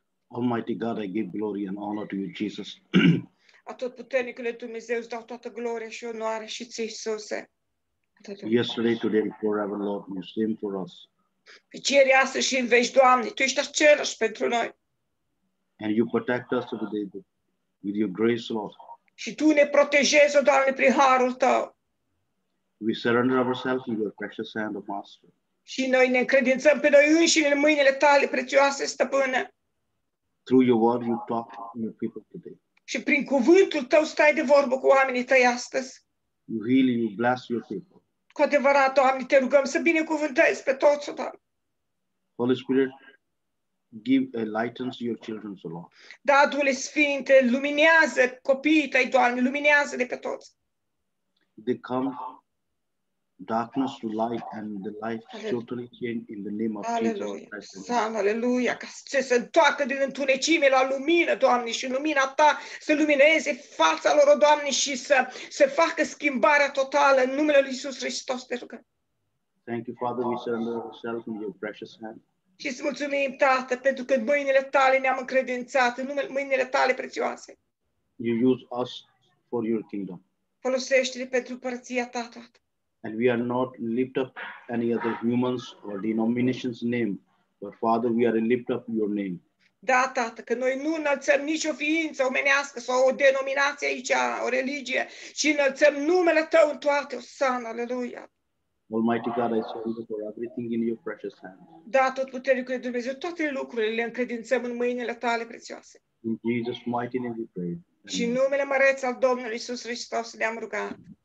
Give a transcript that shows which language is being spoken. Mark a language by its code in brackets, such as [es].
[en] Almighty God, I give glory and honor to you, Jesus. [ro] Atotputernicule Dumnezeu, îți dau toată gloria și onoare și ție, Iisuse. [en] Yesterday, today, forever, Lord, you same for us. [ro] Ieri, astăzi și în veci, Doamne, tu ești același pentru noi. [en] And you protect us today with your grace, Lord. [ro] Și tu ne protejezi, Doamne, prin harul tău. [en] We surrender ourselves in your precious hand of Master. [ro] Și noi ne încredințăm pe noi înșine în mâinile tale prețioase, Stăpâne. [en] Through your word you talk to your people today. [ro] Și prin cuvântul tău stai de vorbă cu oamenii tăi astăzi. [en] You heal and you bless your people. [ro] Cu adevărat, Doamne, te rugăm să binecuvântezi pe toți, Doamne. [en] Holy Spirit, give a light to your children, so Lord. [ro] Da, Duhule Sfinte, luminează copiii tăi, Doamne, luminează de pe toți. [en] They come darkness to light and the light totally change in the name of Jesus Christ. [ro] Aleluia, ca să se întoarcă din întunecime la lumină, Doamne, și lumina ta să lumineze fața lor, Doamne, și să facă schimbarea totală în numele lui Iisus Hristos, te rugăm. [en] Thank you, Father, we surrender ourselves in your precious hand. [ro] Și îți mulțumim, Tată, pentru că mâinile tale ne-am încredințat, în numele mâinile tale prețioase. [en] You use us for your kingdom. [ro] Folosește-ne pentru împărăția ta, Tată. [en] And we are not lift up any other humans or denominations name, but Father, we are lift up your name. [ro] Da, Tată, că noi nu înălțăm nicio ființă omenească sau o denominație aici, o religie, ci înălțăm numele Tău în toate, Osana, aleluia. [en] Almighty God, I surrender for everything in your precious hands. [ro] Da, tot puternicul Dumnezeu, toate lucrurile le încredințăm în mâinile Tale prețioase. [en] In Jesus' mighty name we pray. [ro] Și numele măreț al Domnului Iisus Hristos ne-am rugat.